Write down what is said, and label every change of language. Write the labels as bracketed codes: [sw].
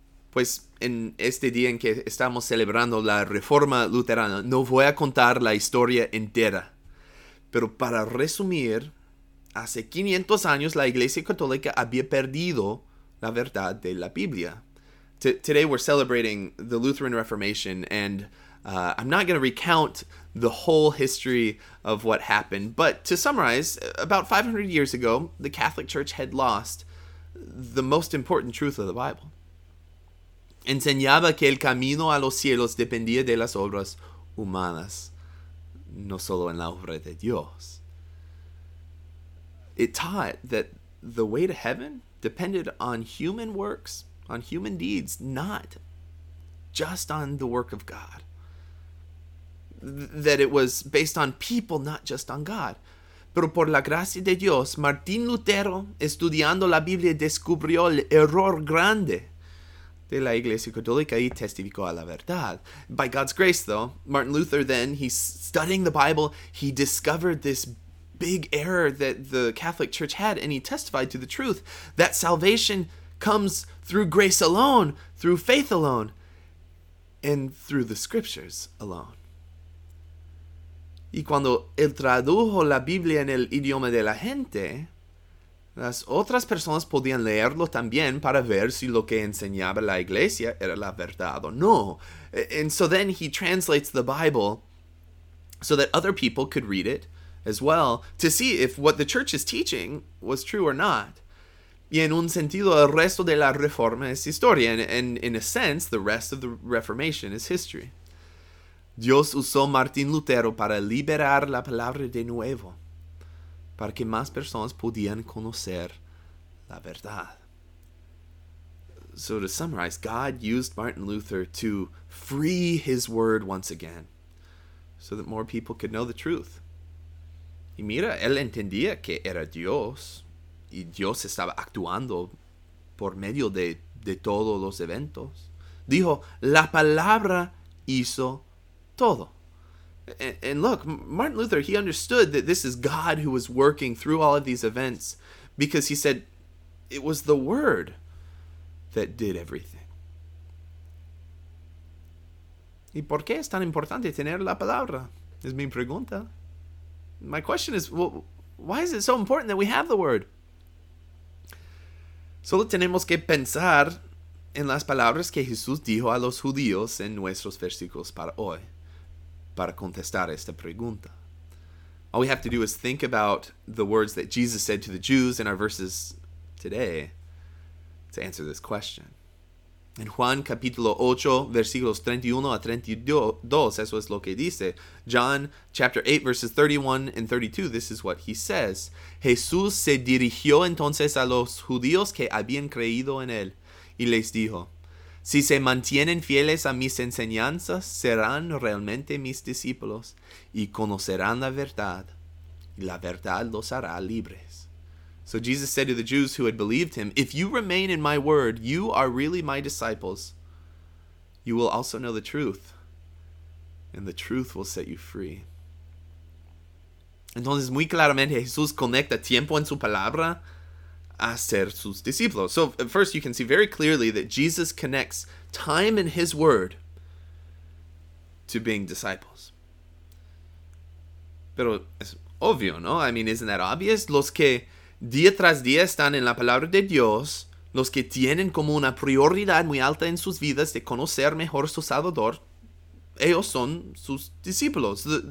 [es] Pues en este día en que estamos celebrando la Reforma Luterana, no voy a contar la historia entera. Pero para resumir, hace 500 años la Iglesia Católica había perdido la verdad de la Biblia. [en] Today we're celebrating the Lutheran Reformation, and I'm not going to recount the whole history of what happened. But to summarize, about 500 years ago, the Catholic Church had lost the most important truth of the Bible. [es] Enseñaba que el camino a los cielos dependía de las obras humanas. No solo en la obra de Dios. [en] It taught that the way to heaven depended on human works, on human deeds, not just on the work of God. That it was based on people, not just on God. [es] Pero por la gracia de Dios, Martín Lutero, estudiando la Biblia, descubrió el error grande de la Iglesia Católica y testificó a la verdad. [en] By God's grace, though, Martin Luther then, he's studying the Bible, he discovered this big error that the Catholic Church had, and he testified to the truth that salvation comes through grace alone, through faith alone, and through the Scriptures alone. [es] Y cuando él tradujo la Biblia en el idioma de la gente, las otras personas podían leerlo también para ver si lo que enseñaba la iglesia era la verdad o no. [en] And so then he translates the Bible so that other people could read it as well to see if what the church is teaching was true or not. [es] Y en un sentido, el resto de la Reforma es historia. [en] And in a sense, the rest of the Reformation is history. [es] Dios usó Martín Lutero para liberar la palabra de nuevo, para que más personas pudieran conocer la verdad. [en] So to summarize, God used Martin Luther to free his word once again, so that more people could know the truth. [es] Y mira, él entendía que era Dios, y Dios estaba actuando por medio de todos los eventos. Dijo, la palabra hizo todo. [en] And look, Martin Luther, he understood that this is God who was working through all of these events because he said it was the Word that did everything. [es] ¿Y por qué es tan importante tener la palabra? Es mi pregunta. [en] My question is, well, why is it so important that we have the Word? [es] Solo tenemos que pensar en las palabras que Jesús dijo a los judíos en nuestros versículos para hoy. Para contestar esta pregunta. [en] All we have to do is think about the words that Jesus said to the Jews in our verses today to answer this question. [es] In Juan capítulo 8, versículos 31 a 32, eso es lo que dice. [en] John chapter 8, verses 31 and 32, this is what he says. [es] Jesús se dirigió entonces a los judíos que habían creído en él y les dijo, si se mantienen fieles a mis enseñanzas, serán realmente mis discípulos y conocerán la verdad, y la verdad los hará libres. [en] So Jesus said to the Jews who had believed him, "If you remain in my word, you are really my disciples. You will also know the truth, and the truth will set you free." [es] Entonces, muy claramente, Jesús conecta tiempo en su palabra a ser sus discípulos. [en] So first, you can see very clearly that Jesus connects time in his word to being disciples. [es] Pero es obvio, ¿no? [en] I mean, isn't that obvious? [es] Los que día tras día están en la palabra de Dios, los que tienen como una prioridad muy alta en sus vidas de conocer mejor su Salvador, ellos son sus discípulos.